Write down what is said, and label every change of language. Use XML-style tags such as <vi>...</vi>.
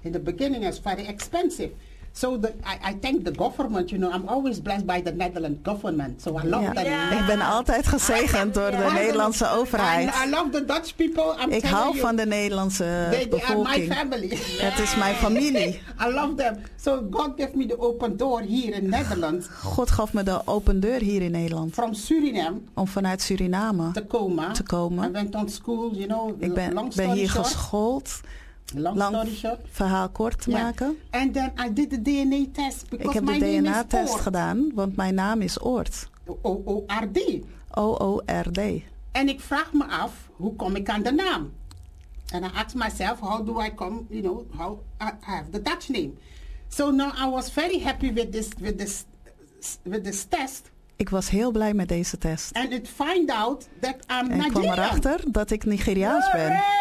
<en>In the beginning it was very expensive. So I thank the government, you know. I'm always blessed by the Netherlands government. So I love that. Yeah.</en> <nl>Ik ben altijd gezegend door de Nederlandse overheid.</nl> <en>I love the Dutch people.</en> <nl>Ik hou van de Nederlandse bevolking.</nl> <en>They are my family.</en> <nl>Het is mijn familie.</nl> <en>I love them. So God gave me the open door here in Netherlands.</en> <nl>God gaf me de open deur hier in Nederland.</nl> <en>From Suriname.</en> <nl>Om vanuit Suriname te komen.</nl> <en>I went on school, you know.</en> <nl>Ik ben,</nl> <en>long story</en> <nl>ben hier</nl> <en>short.</en> <nl>Geschoold.</nl> <en>Long story short.</en> <nl>Verhaal kort te maken.</nl> <en>And then I did the DNA test because</en> <nl>ik heb</nl> <en>my</en> <nl>de DNA</nl> <en>name</en> <nl>test gedaan, want mijn naam is Oort. O-O-R-D. O-O-R-D. En ik vraag me af, hoe kom ik aan de naam?</nl> <en>And I ask myself, how do I come, you know, how I have the Dutch name? So now I was very happy with this test.</en> <nl>Ik was heel blij met deze test.</nl> <en>And it find out that I'm</en> <nl>en ik kwam erachter dat ik Nigeriaans ben.</nl>